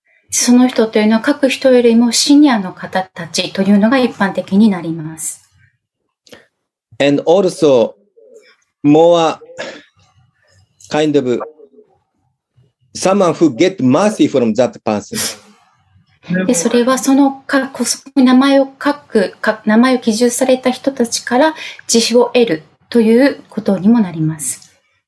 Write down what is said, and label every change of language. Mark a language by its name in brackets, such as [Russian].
[Japanese] その人というのは各人よりもシニアの方たちというのが一般的になります。 [English] And also more kind of someone who get mercy from that person. [Japanese] でそれはその名前を記述された人たちから慈悲を得るということにもなります。